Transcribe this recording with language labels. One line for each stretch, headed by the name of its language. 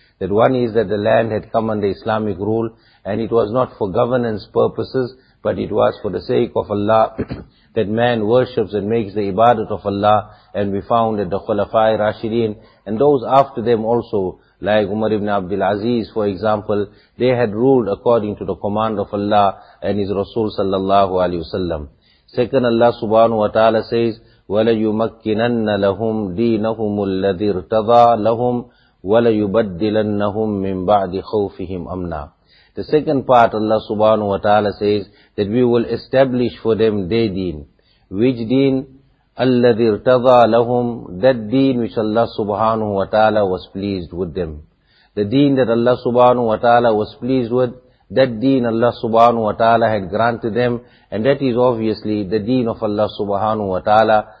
English: That one is that the land had come under Islamic rule, and it was not for governance purposes, but it was for the sake of Allah, that man worships and makes the ibadat of Allah, and we found that the Khulafai Rashideen, and those after them also, like Umar ibn Abdul Aziz, for example, they had ruled according to the command of Allah and His Rasul sallallahu alayhi wa sallam. Second, Allah subhanahu wa ta'ala says,
Arabic: وَلَيُمَكِّنَنَّ لَهُمْ دِينَهُمُ الَّذِي ارْتَضَى لَهُمْ وَلَيُبَدِّلَنَّهُمْ مِنْ بَعْدِ خَوْفِهِمْ أَمْنًا.
English: The second part Allah subhanahu wa ta'ala says that we will establish for them their deen. Which deen?
Arabic: أَلَّذِي ارْتَضَى لَهُمْ.
English: That deen which Allah subhanahu wa ta'ala was pleased with them. The deen that Allah subhanahu wa ta'ala was pleased with, that deen Allah subhanahu wa ta'ala had granted them, and that is obviously the deen of Allah subhanahu wa ta'ala.